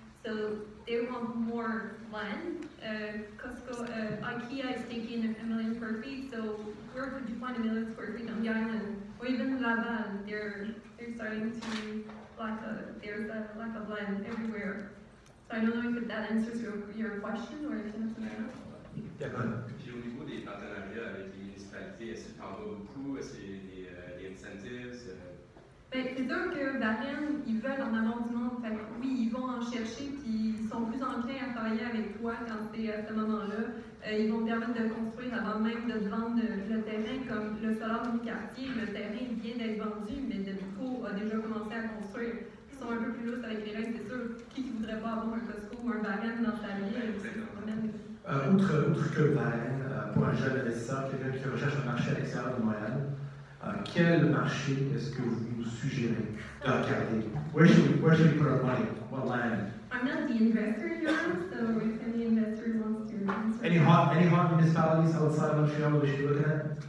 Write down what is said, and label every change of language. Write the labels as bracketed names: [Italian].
[English] So they want more land. Costco, IKEA is taking a million square feet. So where would you find a million square feet on the island? Or even Laval, they're starting to lack a, there's a lack of land everywhere. So I don't know if that answers your question or if you have something else. [French] Puis au niveau des partenariats avec les municipalités, est-ce que tu en vois beaucoup? Est-ce que les incentives? Ben, c'est sûr que Varennes, ils veulent en avant du monde. Fait, oui, ils vont en chercher, puis ils sont plus enclins à travailler avec toi quand c'est à ce moment-là. Ils vont te permettre de construire avant même de te vendre le terrain, comme le solaire du quartier. Le terrain vient d'être vendu, mais le Depco a déjà commencé à construire. Ils sont un peu plus lousses avec les règles, c'est sûr. Qui ne voudrait pas avoir un Costco ou un Varennes dans sa vie? Outre que Varennes, pour un jeune investisseur, quelqu'un qui recherche un marché à l'extérieur de Montréal, quel marché est-ce que vous nous suggérez de regarder? [English] Where should we put our money? What land? I'm not the investor here, so if any investor wants to answer. Any hot municipalities outside of Montreal that we should look at?